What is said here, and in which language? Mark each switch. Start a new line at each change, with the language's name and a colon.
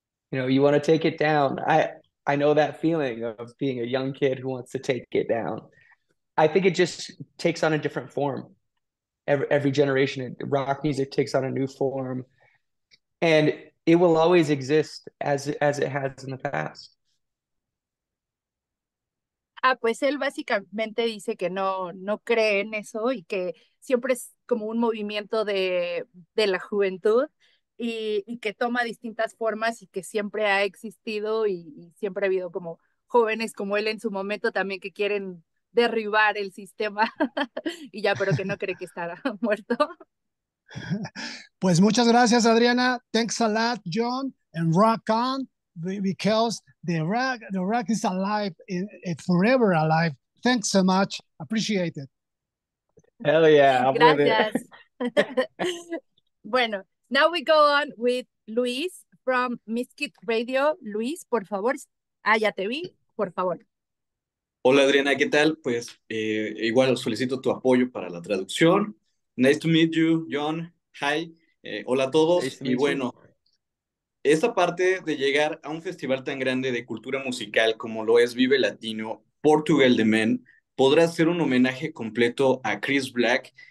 English: You know, you want to take it down. I know that feeling of being a young kid who wants to take it down. I think it just takes on a different form. Every generation, rock music takes on a new form, and it will always exist as it has in the past.
Spanish: Ah, pues él básicamente dice que no cree en eso y que siempre es como un movimiento de la juventud y que toma distintas formas y que siempre ha existido y siempre ha habido como jóvenes como él en su momento también que quieren derribar el sistema y ya, pero que no cree que estará muerto. Pues muchas gracias, Adriana.
English: Thanks a lot, John. And rock on, because the rock is alive, it's forever alive. Thanks so much. Appreciate it. Hell yeah, I'm with
Spanish: Gracias.
English: Bueno, now we go on with Luis from Misfit Radio.
Spanish: Luis, por favor. Ah, ya te vi, por favor. Hola Adriana, ¿qué tal? Pues igual solicito tu apoyo para la traducción.
English: Nice to meet you, John. Hi.
Spanish: Hola a todos.
English: Nice to
Spanish: Y
English: meet you.
Spanish: bueno, esta parte de llegar a un festival tan grande de cultura musical como lo es Vive Latino, Portugal the Man, podrá ser un homenaje completo a Chris Black.